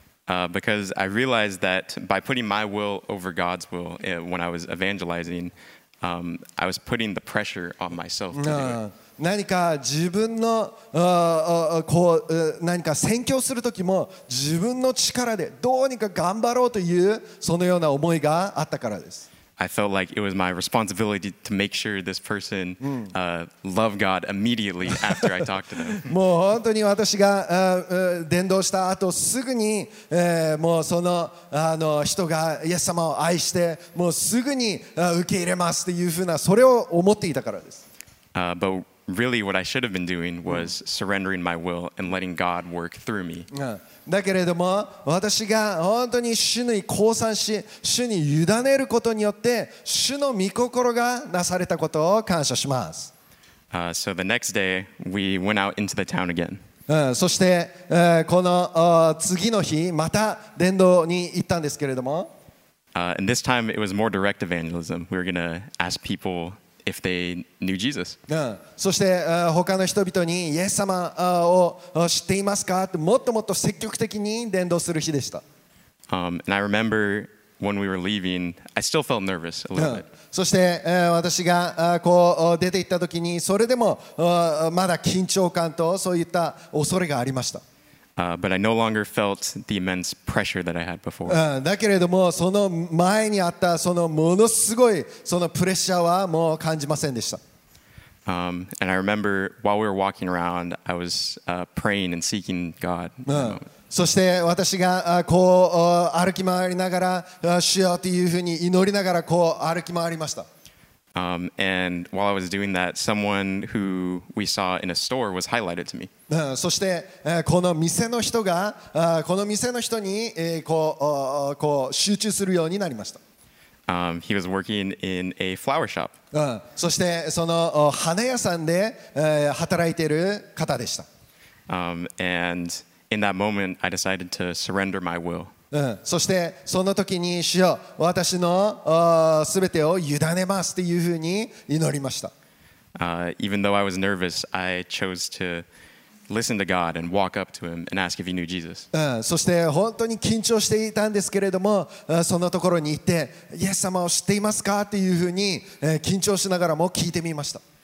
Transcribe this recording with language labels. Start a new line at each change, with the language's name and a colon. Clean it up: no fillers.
English: Because I realized that by putting my will over God's will when I was evangelizing, I was putting the pressure on myself to do it.
Japanese: 何か自分のこう何か宣教する時も自分の力でどうにか頑張ろうというそのような思いがあったからです。
English: I felt like it was my responsibility to make sure this person loved God immediately after I talked to them.
Japanese: もう本当に私が伝道した後すぐにもうその人がイエス様を愛してもうすぐに受け入れますというふうなそれを思っていたからです。
English: But really what I should have been doing was surrendering my will and letting God work through me.
Japanese: だけれども私が本当に主に降参し主に委ねることによって主の御心がなされたことを感謝します。
English: So the next day we went out into the town again.
Japanese: そしてこの次の日また伝道に行ったんですけれども、
English: And this time it was more direct evangelism. We were going to ask peopleIf they knew Jesus.
Japanese: そして他の人々にイエス様を知っていますかってもっともっと積極的に伝道する日でした。
English: And I remember when we were leaving, I still felt nervous a little bit.
Japanese: そして私がこう出て行った時にそれでもまだ緊張感とそういった恐れがありました。
English: But I no longer felt the immense pressure that I had before.
Japanese: だけれどもその前にあったそのものすごいそのプレッシャーはもう感じませんでした。
English: And I remember while we were walking around, I was praying and seeking God.
Japanese: そして私がこう歩き回りながら主よというふうに祈りながらこう歩き回りました。
English: And while I was doing that, someone who we saw in a store was highlighted to me.
Japanese: そして、この店の人が、この店の人に、こう集中するようになりました。
English: He was working in a flower shop.
Japanese: そして、その、花屋さんで、働いている方でした。
English: And in that moment, I decided to surrender my will.
Japanese: そしてその時に主よ私の全てを委ねますというふうに祈りました。
English: Even though I was nervous, I chose to listen to God and walk up to him and ask if he knew Jesus.
Japanese: そして本当に緊張していたんですけれども、そのところに行ってイエス様を知っていますかというふうに、緊張しながらも聞いてみました。